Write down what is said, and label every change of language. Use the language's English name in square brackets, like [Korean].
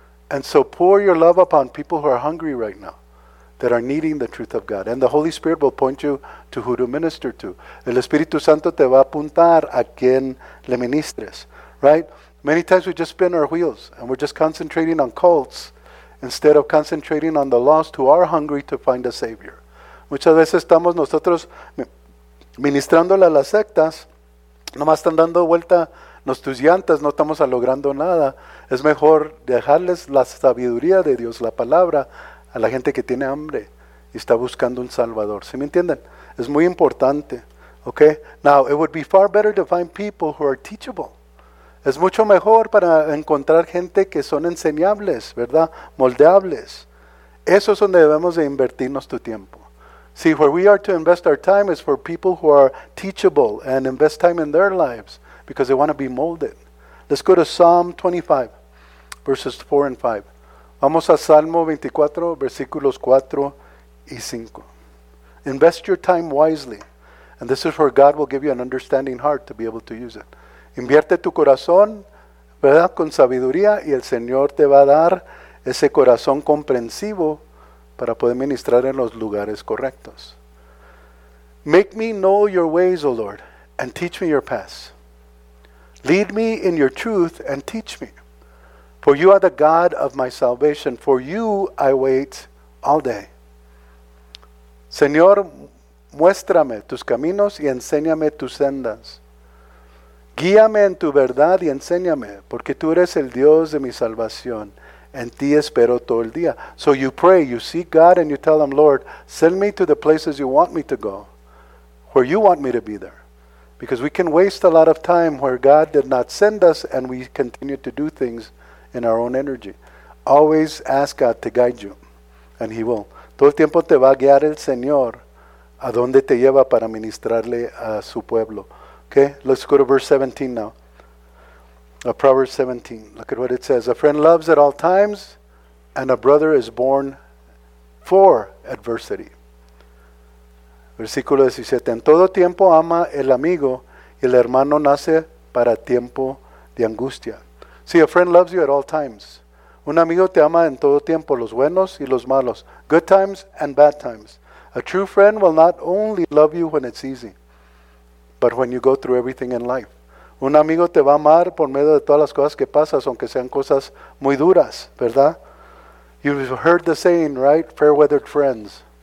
[English] And so pour your love upon people who are hungry right now, that are needing the truth of God. And the Holy Spirit will point you to who to minister to. [Spanish] El Espíritu Santo te va a apuntar a quien le ministres, [English] right? Many times we just spin our wheels and we're just concentrating on cults instead of concentrating on the lost who are hungry to find a Savior. [Spanish] Muchas veces estamos nosotros ministrándole a las sectas, nomás están dando vuelta nuestras llantas, no estamos logrando nada. Es mejor dejarles la sabiduría de Dios, la palabra, a la gente que tiene hambre y está buscando un Salvador. ¿Sí me entienden? Es muy importante. Okay? [English] Now, it would be far better to find people who are teachable. [Spanish] Es mucho mejor para encontrar gente que son enseñables, ¿verdad? Moldeables. Eso es donde debemos de invertirnos tu tiempo. [English] See, where we are to invest our time is for people who are teachable and invest time in their lives because they want to be molded. Let's go to Psalm 25, verses 4 and 5. [Spanish] Vamos a Salmo 24, versículos 4 y 5. [English] Invest your time wisely. And this is where God will give you an understanding heart to be able to use it. [Spanish] Invierte tu corazón, ¿verdad?, con sabiduría, y el Señor te va a dar ese corazón comprensivo para poder ministrar en los lugares correctos. [English] Make me know your ways, O Lord, and teach me your paths. Lead me in your truth and teach me. For you are the God of my salvation. For you I wait all day. [Spanish] Señor, muéstrame tus caminos y enséñame tus sendas. Guíame en tu verdad y enséñame, porque tú eres el Dios de mi salvación. En ti espero todo el día. [English] So you pray, you seek God, and you tell him, Lord, send me to the places you want me to go, where you want me to be there. Because we can waste a lot of time where God did not send us, and we continue to do things in our own energy. Always ask God to guide you, and he will. [Spanish] Todo el tiempo te va a guiar el Señor. a dónde te lleva para ministrarle a su pueblo. [English] Okay, let's go to verse 17 now. Proverbs 17. Look at what it says. A friend loves at all times, and a brother is born for adversity. [Spanish] Versículo 17. En todo tiempo ama el amigo, y el hermano nace para tiempo de angustia. [English] See, a friend loves you at all times. [Spanish] Un amigo te ama en todo tiempo, los buenos y los malos. [English] Good times and bad times. A true friend will not only love you when it's easy, but when you go through everything in life. [Spanish] Un amigo te va a amar por medio de todas las cosas que pasas, aunque sean cosas muy duras, ¿verdad? [English] You've heard the saying, right? Fair-weathered friends.